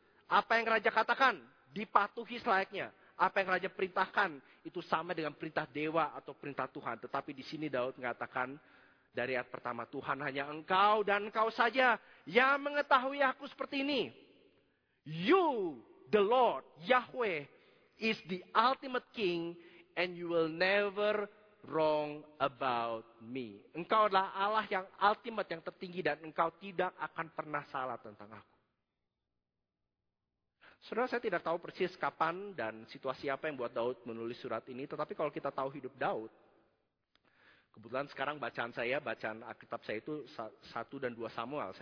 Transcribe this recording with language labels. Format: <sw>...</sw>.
<id>Apa yang raja katakan, dipatuhi selayaknya. Apa yang raja perintahkan, itu sama dengan perintah dewa atau perintah Tuhan. Tetapi di sini Daud mengatakan, Dari ayat pertama, Tuhan hanya engkau dan engkau saja yang mengetahui aku seperti ini.</id> <en>You, the Lord, Yahweh, is the ultimate king and you will never wrong about me.</en> <id>Engkau adalah Allah yang ultimate, yang tertinggi, dan engkau tidak akan pernah salah tentang aku. Saudara, saya tidak tahu persis kapan dan situasi apa yang buat Daud menulis surat ini, tetapi kalau kita tahu hidup Daud, kebetulan sekarang bacaan saya, bacaan Alkitab saya itu 1 dan 2 Samuel.</id>